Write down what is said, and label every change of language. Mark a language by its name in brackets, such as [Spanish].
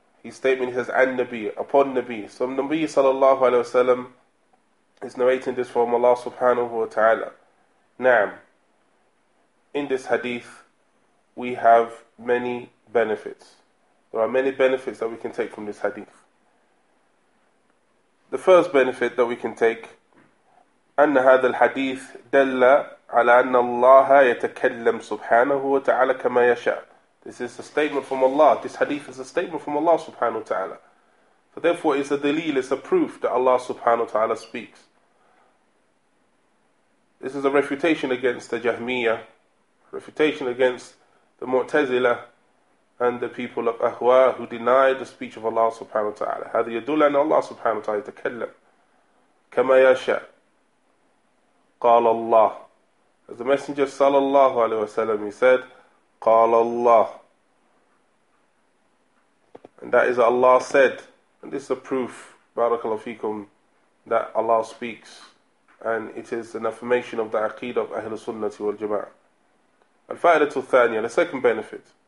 [English] His statement, he says, An Nabi, upon Nabi. So Nabi sallallahu alayhi wa sallam is narrating this from Allah subhanahu wa ta'ala. Na'am. In this hadith, we have many benefits. There are many benefits that we can take from this hadith. The first benefit that we can take, [Arabic] أن هذا الحديث دل على أن الله يتكلم سبحانه وتعالى كما يشاء. [English] This is a statement from Allah. This hadith is a statement from Allah subhanahu wa ta'ala. So therefore it's a dalil, it's a proof that Allah subhanahu wa ta'ala speaks. This is a refutation against the Jahmiyyah, refutation against the Mu'tazila and the people of Ahwa who denied the speech of Allah subhanahu wa ta'ala. [Arabic] هذا يدل أن الله سبحانه وتعالى يتكلم كما يشاء. قال الله. [English] As the Messenger [Arabic] صلى الله عليه وسلم, [English] he said, [Arabic] قال الله. [English] And that is Allah said. And this is a proof, barakallahu feekum, that Allah speaks. And it is an affirmation of the aqeedah of Ahl Sunnati wal Jama'ah. [Arabic] الفائدة الثانية, [English] the second benefit.